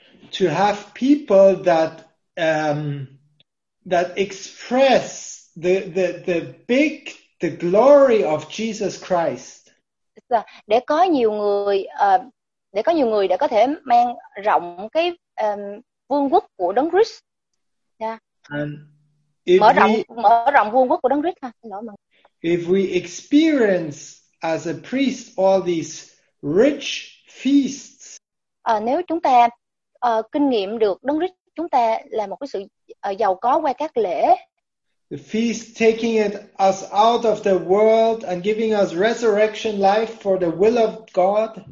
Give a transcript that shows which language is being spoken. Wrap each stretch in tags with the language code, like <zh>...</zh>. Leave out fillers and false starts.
<en>to have people that that express the big the glory of Jesus Christ.</en> <vi>Để có nhiều người để có nhiều người để có thể mang rộng cái vương quốc của Đấng Christ.</vi> <en>If</en> <vi>mở rộng vương quốc của Đấng Christ ha.</vi> <en>If we experience as a priest all these rich feasts.</en> <vi>Nếu chúng ta kinh nghiệm được Đấng Christ chúng ta là một cái sự giàu có qua các lễ.</vi> <en>The feast taking it us out of the world and giving us resurrection life for the will of God.</en>